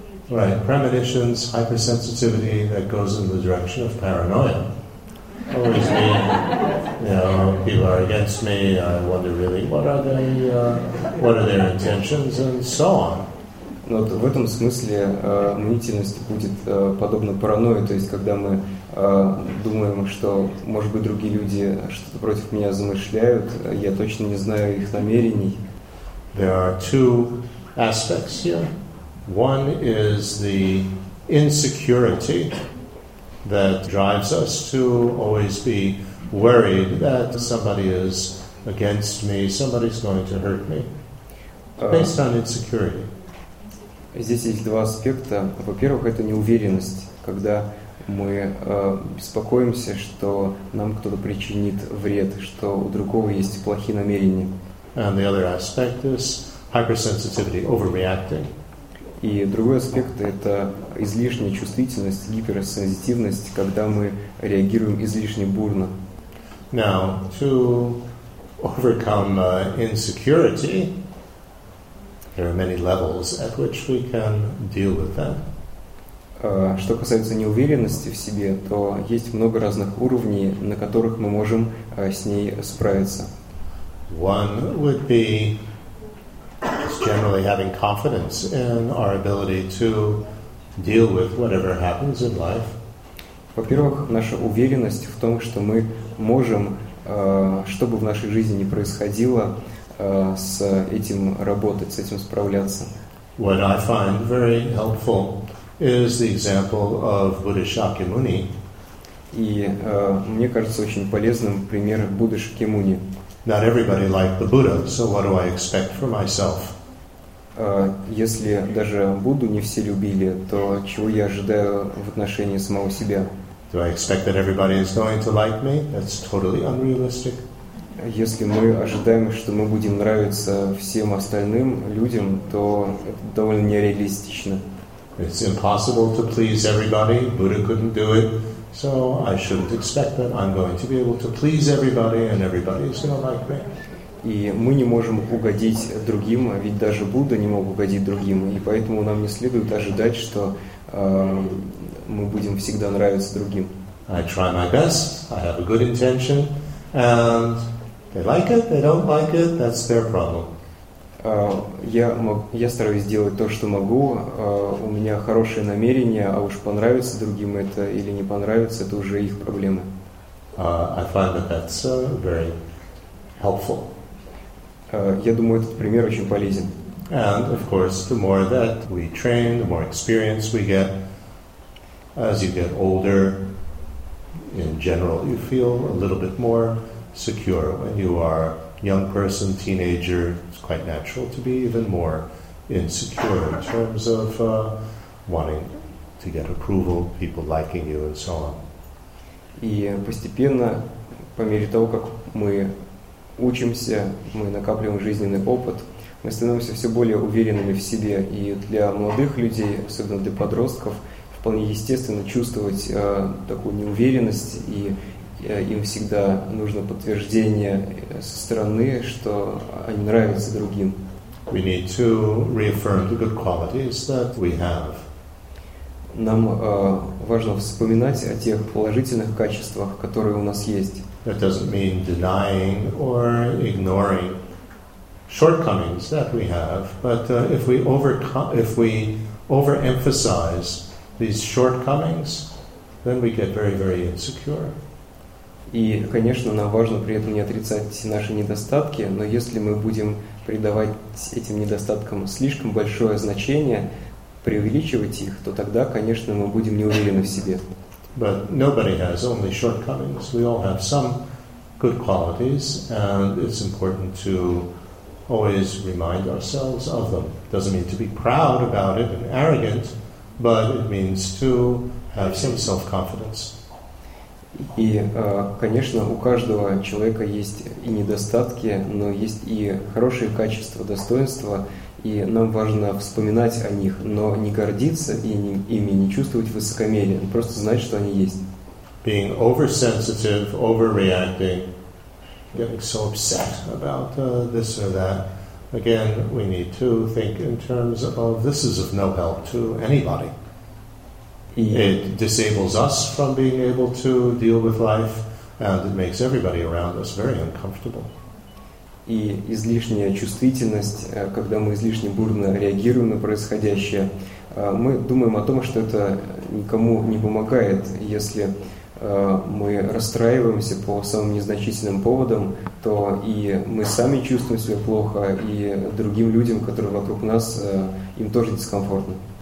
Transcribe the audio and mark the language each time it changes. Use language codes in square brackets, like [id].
[en] Right, premonitions, hypersensitivity that goes in the direction of paranoia. Always me, you know, people are against me, I wonder really what are their intentions and so on. [ru] Но вот в этом смысле мнительность будет подобна паранойи, то есть когда мы думаем, что, может быть, другие люди что-то против меня замышляют, я точно не знаю их намерений. [en] There are two aspects here. One is the insecurity that drives us to always be worried that somebody is against me, somebody's going to hurt me. Based on insecurity. [ru] Здесь есть два аспекта. Во-первых, это неуверенность, когда мы беспокоимся, что нам кто-то причинит вред, что у другого есть плохие намерения. [en] And the other aspect is hypersensitivity, overreacting. [ru] И другой аспект — это излишняя чувствительность, гиперсенситивность, когда мы реагируем излишне бурно. [en] Now, to overcome insecurity, there are many levels at which we can deal with that. [ru] Что касается неуверенности в себе, то есть много разных уровней, на которых мы можем с ней справиться. [en] One would be just generally having confidence in our ability to deal with whatever happens in life. [ru] Во-первых, наша уверенность в том, что мы можем, что бы в нашей жизни ни происходило, с этим работать, с этим справляться. [en] What I find very helpful is the example of Buddha Shakyamuni. [ru] И мне кажется очень полезным пример Будды Шакьямуни. [en] Not everybody liked the Buddha, so what do I expect for myself? [ru] Если даже Будду не все любили, то чего я ожидаю в отношении самого себя? [en] Do I expect that everybody is going to like me? That's totally unrealistic. [ru] Если мы ожидаем, что мы будем нравиться всем остальным людям, то это довольно нереалистично. [en] It's impossible to please everybody. Buddha couldn't do it. So I shouldn't expect that I'm going to be able to please everybody and everybody is going to like me. [ru] И мы не можем угодить другим, ведь даже Будда не мог угодить другим. И поэтому нам не следует ожидать, что мы будем всегда нравиться другим. [en] I try my best. I have a good intention. And they like it, they don't like it, that's their problem. [ru] Я стараюсь делать то, что могу. У меня хорошее намерение, а уж понравится другим это или не понравится, это уже их проблемы. [en] I find that that's very helpful. [ru] Я думаю, этот пример очень полезен. [en] And of course, the more that we train, the more experience we get. As you get older, in general, you feel a little bit more secure. When you are a young person, teenager, it's quite natural to be even more insecure in terms of wanting to get approval, people liking you, and so on. [ru] И постепенно, по мере того, как мы учимся, мы накапливаем жизненный опыт, мы становимся все более уверенными в себе. И для молодых людей, особенно для подростков, вполне естественно чувствовать такую неуверенность, и им всегда нужно подтверждение со стороны, что они нравятся другим. [en] We need to reaffirm the good qualities that we have. [ru] Нам важно вспоминать о тех положительных качествах, которые у нас есть. [en] That doesn't mean denying or ignoring shortcomings that we have, but if we overemphasize these shortcomings, then we get very, very insecure. [ru] И, конечно, нам важно при этом не отрицать наши недостатки, но если мы будем придавать этим недостаткам слишком большое значение, преувеличивать их, то тогда, конечно, мы будем не уверены в себе. [en] But nobody has only shortcomings. We all have some good qualities, and it's important to always remind ourselves of them. Doesn't mean to be proud about it and arrogant, but it means to have some self-confidence. [ru] И, конечно, у каждого человека есть и недостатки, но есть и хорошие качества, достоинства, и нам важно вспоминать о них, но не гордиться ими, не чувствовать высокомерие, просто знать, что они есть. [en] Being oversensitive, overreacting, getting so upset about this or that, again, we need to think in terms of this is of no help to anybody. It disables us from being able to deal with life, and it makes everybody around us very uncomfortable. [ru] И излишняя чувствительность, когда мы излишне бурно реагируем на происходящее, мы думаем о том, что это никому не помогает. Если мы расстраиваемся по самым незначительным поводам, то и мы сами чувствуем себя плохо, и другим людям, которые вокруг нас, им тоже дискомфортно.